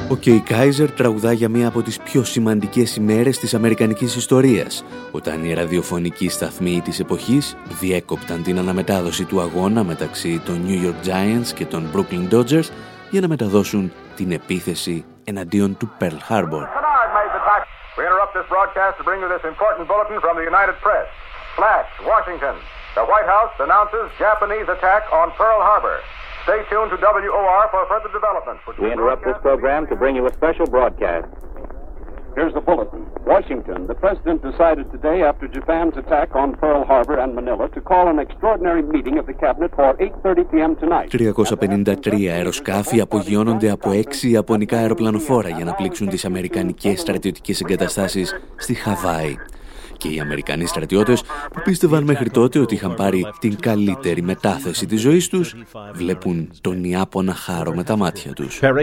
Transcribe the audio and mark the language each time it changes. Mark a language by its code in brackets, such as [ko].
[el] Και η Kaiser τραγουδά για μία από τις πιο σημαντικές ημέρες της αμερικανικής ιστορίας, όταν οι ραδιοφωνικοί σταθμοί της εποχής διέκοπταν την αναμετάδοση του αγώνα μεταξύ των New York Giants και των Brooklyn Dodgers για να μεταδώσουν την επίθεση εναντίον του Pearl Harbor. [en] We interrupt this broadcast to bring you this important bulletin from the United Press. Flash, Washington. The White House announces Japanese attack on Pearl Harbor. Stay tuned to WOR for further developments. We interrupt this program to bring you a special broadcast. Here's the bulletin. Washington, the president decided today after Japan's attack on Pearl Harbor and Manila to call an extraordinary meeting of the cabinet for 8:30 p.m. tonight. [el] 353 αεροσκάφη απογειώνονται από 6 ιαπωνικά αεροπλανοφόρα για να πλήξουν τις αμερικανικές στρατιωτικές εγκαταστάσεις στη Χαβάη. Και οι Αμερικανοί στρατιώτες, που πίστευαν μέχρι τότε ότι είχαν πάρει την καλύτερη μετάθεση της ζωής τους, βλέπουν τον Ιάπωνα χάρο με τα μάτια τους.